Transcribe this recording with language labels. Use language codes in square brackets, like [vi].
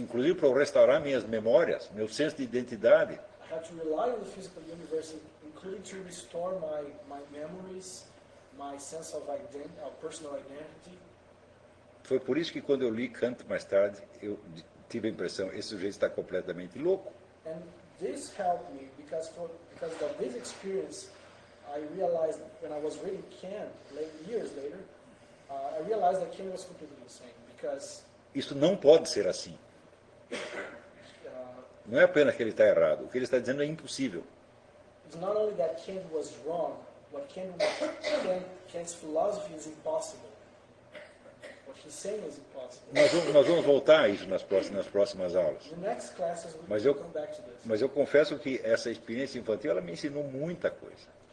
[pt] Inclusive para restaurar minhas memórias, meu senso de identidade. [en] I had to rely on the physical universe, including to restore my memories, my sense of personal identity. [pt] Foi por isso que quando eu li Kant mais tarde, eu tive a impressão, esse sujeito está completamente louco. [en] And this helped me, because of this experience, I realized, when I was reading Kant, years later, I realized that Kant was completely insane, because... [pt] Isso não pode ser assim. Não é apenas que ele está errado, o que ele está dizendo é impossível. [en] It's not only that Kant was wrong, what Kant's philosophy is impossible. What he's saying is impossible. [pt] Nós vamos voltar a isso nas próximas aulas. [en] The next classes we'll come back to this. [pt] Mas eu confesso que essa experiência infantil ela me ensinou muita coisa.